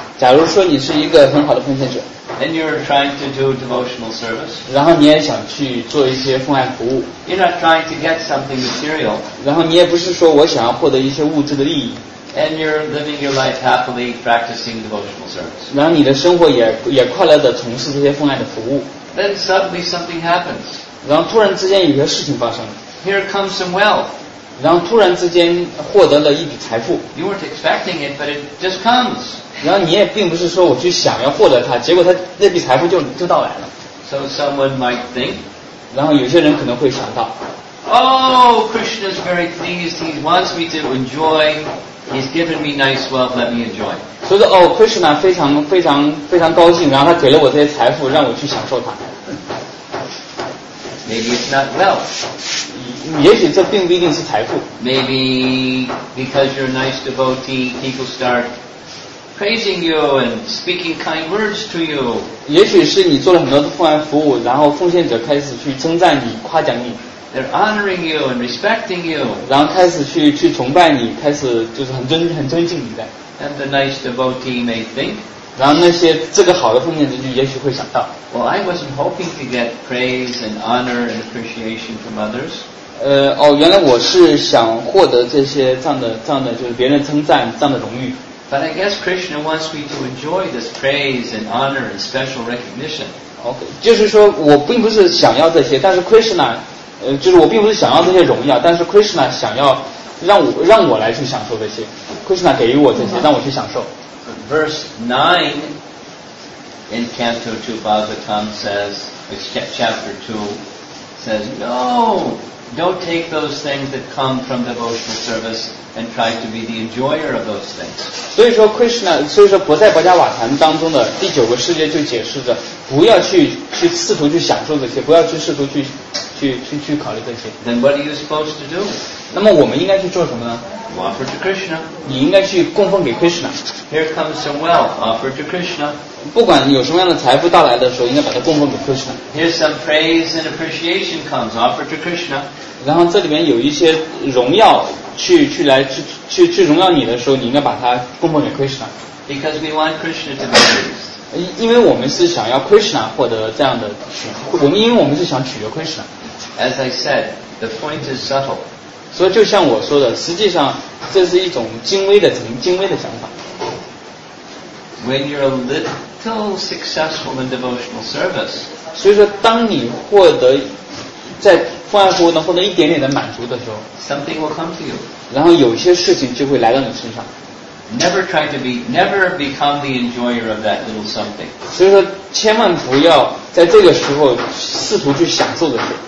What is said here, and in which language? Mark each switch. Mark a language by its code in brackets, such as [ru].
[zh] 假如说你是一个很好的奉献者。 [en] And you're trying to do devotional service. [zh] 然后你也想去做一些奉献服务。 [en] You're not trying to get something material. [zh] 然后你也不是说我想要获得一些物质的利益。 [en] And you're living your life happily practicing devotional service. [zh] 然后你的生活也快乐地从事这些奉献的服务。 [en] Then suddenly something happens. [zh] 然后突然之间有些事情发生了。 [en] Here comes some wealth. [zh] 然后突然之间获得了一笔财富。 [en] You weren't expecting it, but it just comes. [zh] 然后你也并不是说我去想要获得它，结果它那笔财富就到来了。 [en] So someone might think. [zh] 然后有些人可能会想到。 [en] Oh, Krishna is very pleased. He wants me to enjoy. He's given me nice wealth. Let me enjoy. [zh] 所以说哦 ，Krishna 非常非常非常高兴，然后他给了我这些财富，让我去享受它。 [en] Maybe it's not wealth. [zh] 也许这并不一定是财富。 [en] Maybe because you're a nice devotee, people start praising you and speaking kind words to you. [zh] 也许是你做了很多的奉献服务，然后奉献者开始去称赞你、夸奖你。 [en] They're honoring you and respecting you. [zh] 然后开始去崇拜你，开始就是很尊敬你的。 [en] And the nice devotee may think. [zh] 然后那些这个好的奉献者就也许会想到 [en] Well, I wasn't hoping to get praise and honor and appreciation from others. [zh] 原来我是想获得这些这样的就是别人称赞这样的荣誉。 [en] But I guess Krishna wants me to enjoy this praise and honor and special recognition. [zh] Okay, 就是说我并不是想要这些，但是 Krishna, 就是我并不是想要这些荣耀，但是 Krishna 想要让我来去享受这些 ，Krishna 给予我这些，让我去享受。 [en] Verse 9 in Canto 2 Bhagavatam says, chapter 2 says, no, don't take those things that come from devotional service and try to be the enjoyer of those things. [zh] 所以说 Krishna, 所以说不在《薄伽瓦坛》当中的第九个世界就解释着，不要去试图去享受这些，不要去试图去考虑这些。 [en] Then what are you supposed to do? [zh] 那么我们应该去做什么呢？ [en] Offer to Krishna. [zh] 你应该去供奉给 Krishna. [en] Here comes some wealth. Offer to Krishna. [zh] 不管有什么样的财富到来的时候，应该把它供奉给 Krishna. [en] Here some praise and appreciation comes. Offer to Krishna. [zh] 然后这里面有一些荣耀去荣耀你的时候，你应该把它供奉给 Krishna. [en] Because we want Krishna to be praised. [zh] 因为我们是想要 Krishna 获得这样的因为我们是想取悦 Krishna. [en] As I said, the point is subtle. [zh] 所以就像我说的，实际上这是一种精微的层精微的想法。 [en] When you're a little successful in devotional service, [zh] 所以说当你获得在奉献服务能获得一点点的满足的时候 [en] ，something will come to you. [zh] 然后有些事情就会来到你身上。 [en] Never try to be, never become the enjoyer of that little something. [zh] 所以说千万不要在这个时候试图去享受这些。